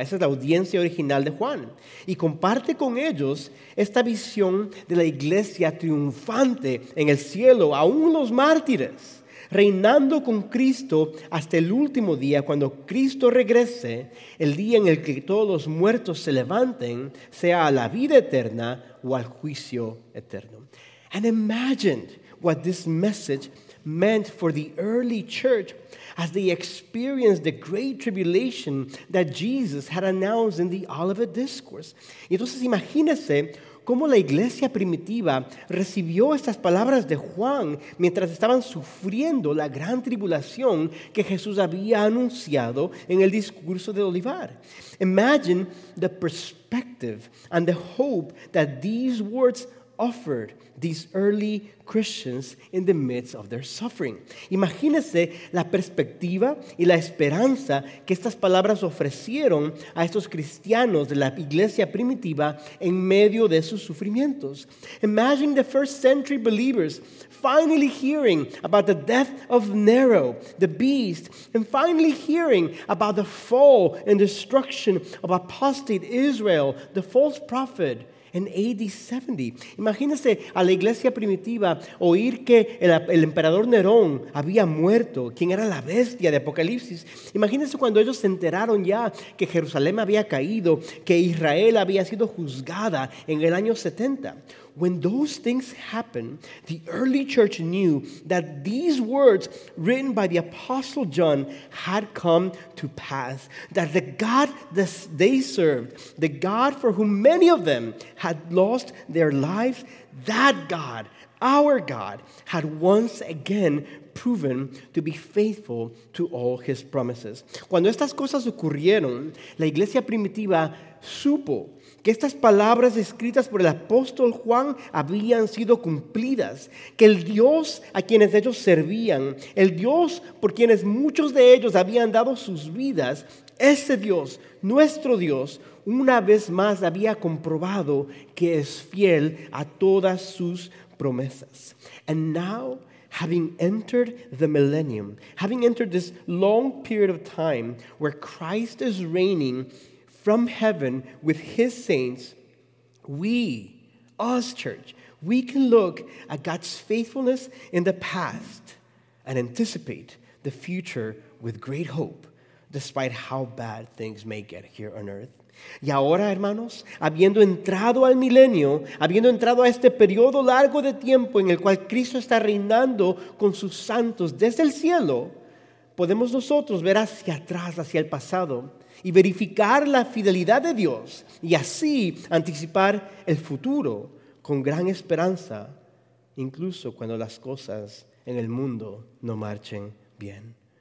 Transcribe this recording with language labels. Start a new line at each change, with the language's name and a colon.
Spanish: Esa es la audiencia original de Juan. Y comparte con ellos esta visión de la iglesia triunfante en el cielo, aún los mártires, reinando con Cristo hasta el último día, cuando Cristo regrese, el día en el que todos los muertos se levanten, sea a la vida eterna o al juicio eterno.
English: And imagine what this message meant for the early church as they experienced the great tribulation that Jesus had announced in the Olivet Discourse.
Spanish: Y entonces imagínese cómo la iglesia primitiva recibió estas palabras de Juan mientras estaban sufriendo la gran tribulación que Jesús había anunciado en el discurso de Olivar.
English: Imagine the perspective and the hope that these words offered these early Christians in the midst of their suffering.
Spanish: Imagínese la perspectiva y la esperanza que estas palabras ofrecieron a estos cristianos de la iglesia primitiva en medio de sus sufrimientos.
English: Imagine the first century believers finally hearing about the death of Nero, the beast, and finally hearing about the fall and destruction of apostate Israel, the false prophet, en AD 70.
Spanish: Imagínese a la iglesia primitiva oír que el emperador Nerón había muerto, quien era la bestia de Apocalipsis. Imagínese cuando ellos se enteraron ya que Jerusalén había caído, que Israel había sido juzgada en el año 70.
English: When those things happened, the early church knew that these words written by the Apostle John had come to pass, that the God they served, the God for whom many of them had lost their lives, that God, our God, had once again proven to be faithful to all his promises.
Spanish: Cuando estas cosas ocurrieron, la iglesia primitiva supo que estas palabras escritas por el apóstol Juan habían sido cumplidas, que el Dios a quienes ellos servían, el Dios por quienes muchos de ellos habían dado sus vidas, ese Dios, nuestro Dios, una vez más había comprobado que es fiel a todas sus promesas.
English: And now, having entered the millennium, having entered this long period of time where Christ is reigning from heaven with his saints, we, church, can look at God's faithfulness in the past and anticipate the future with great hope, despite how bad things may get here on earth.
Spanish: Y ahora, hermanos, habiendo entrado al milenio, habiendo entrado a este periodo largo de tiempo en el cual Cristo está reinando con sus santos desde el cielo, podemos nosotros ver hacia atrás, hacia el pasado, y verificar la fidelidad de Dios y así anticipar el futuro con gran esperanza, incluso cuando las cosas en el mundo no marchen bien.